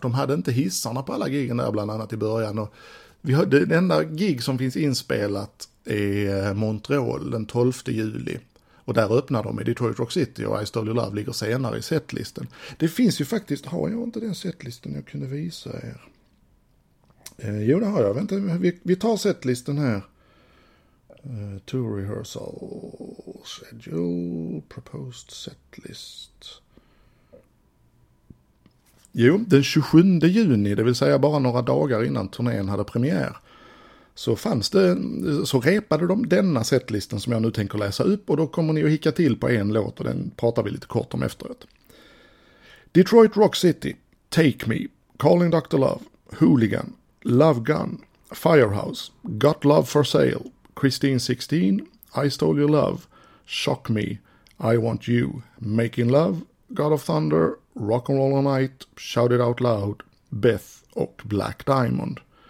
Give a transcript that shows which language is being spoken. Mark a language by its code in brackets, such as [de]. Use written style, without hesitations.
[sv] De hade inte hissarna på alla gigen där bland annat i början. Och den enda gig som finns inspelat är Montreal den 12 juli. Och där öppnar de i Detroit Rock City och I Stole Your Love ligger senare i setlisten. Det finns ju faktiskt, har jag inte den setlisten jag kunde visa er? Jo, det har jag. Vänta, vi tar setlisten här. [en] Tour rehearsal schedule proposed setlist. [sv] Jo, den 27 juni, det vill säga bara några dagar innan turnén hade premiär, så repade de denna setlisten som jag nu tänker läsa upp, och då kommer ni att hicka till på en låt och den pratar vi lite kort om efteråt. Detroit Rock City, Take Me, Calling Dr. Love, Hooligan, Love Gun, Firehouse, Got Love for Sale, Christine 16, I Stole Your Love, Shock Me, I Want You, Making Love, God of Thunder, Rock and Roll All Night, Shout It Out Loud, Beth och Black Diamond.